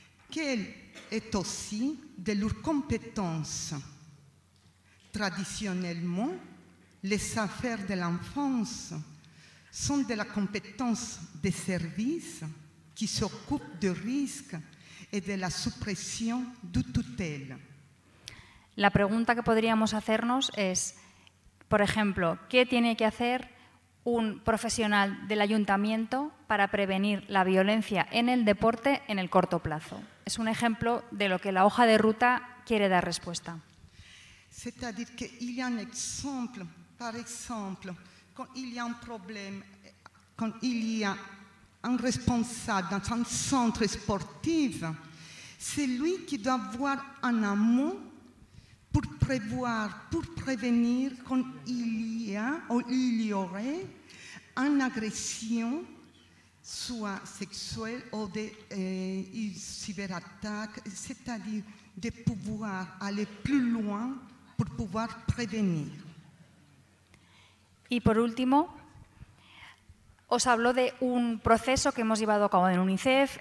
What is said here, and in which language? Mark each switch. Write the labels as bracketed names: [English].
[French] Quelle est aussi de leurs compétences. Traditionnellement, les affaires de l'enfance sont de la compétence des services qui s'occupent du risque et de la suppression de tutelle. [Spanish] La pregunta que podríamos hacernos es, por ejemplo, ¿qué tiene que hacer un profesional del ayuntamiento para prevenir la violencia en el deporte en el corto plazo? Es un ejemplo de lo que la hoja de ruta quiere dar respuesta. [French] C'est-à-dire qu'il y a un exemple, par exemple, quand il y a un problème, quand il y a un responsable dans un centre sportif, C'est lui qui doit voir en amont pour prévoir, pour prévenir quand il y a ou il y aurait une agression, soit sexuelle ou une cyberattaque, c'est-à-dire de pouvoir aller plus loin pour pouvoir prévenir. [Spanish] Y por último, os hablo de un proceso que hemos llevado a cabo en UNICEF.